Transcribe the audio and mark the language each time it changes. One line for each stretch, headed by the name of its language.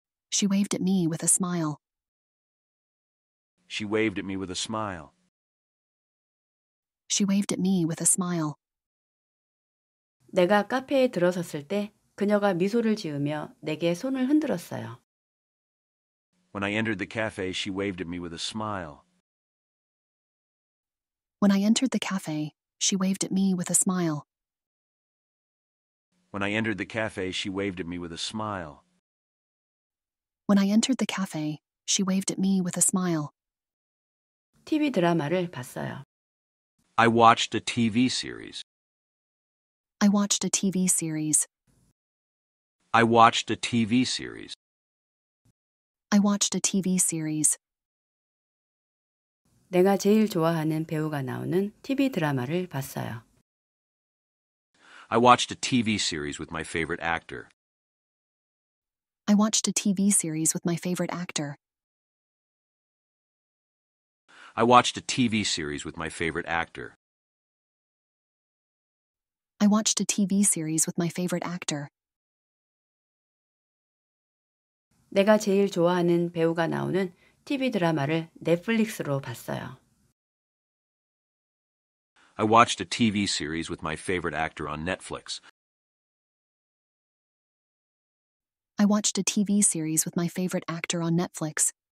English: She waved at me with a smile. She waved at me with a smile. She waved at me with a smile.
Korean: 내가 카페에 들어섰을 때 그녀가 미소를 지으며 내게 손을 흔들었어요.
English: When I entered the cafe, she waved at me with a smile. When I entered the cafe, she waved at me with a smile. When I entered the cafe, she waved at me with a smile. When I entered the cafe, she waved at me with a smile.
Korean: TV 드라마를 봤어요.
English: I watched a TV series. I watched a TV series. I watched a TV series. I watched a TV series.
Korean: 내가 제일 좋아하는 배우가 나오는 TV 드라마를 봤어요.
English: I watched a TV series with my favorite actor. I watched a TV series with my favorite actor. I watched a TV series with my favorite actor. I watched a TV series with my favorite actor.
Korean: 내가 제일 좋아하는 배우가 나오는 TV 드라마를 넷플릭스로 봤어요.
English: I watched a TV series with my favorite actor on Netflix. I watched a TV series with my favorite actor on Netflix.